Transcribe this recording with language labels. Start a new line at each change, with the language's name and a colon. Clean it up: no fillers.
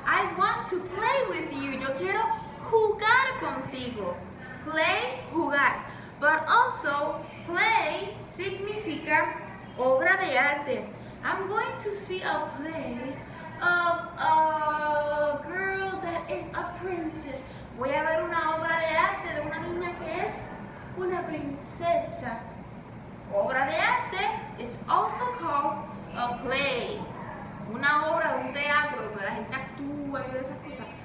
English: I want to play with you.
Spanish: Yo quiero jugar contigo. Play, jugar.
English: But also, play
Spanish: significa obra de arte.
English: I'm going to see a play of a girl that is a princess.
Spanish: Voy a ver una obra de arte de una niña que es una princesa. Obra de arte,
English: it's also called a play.
Spanish: Una obra de un teatro donde la gente actúa y esas cosas.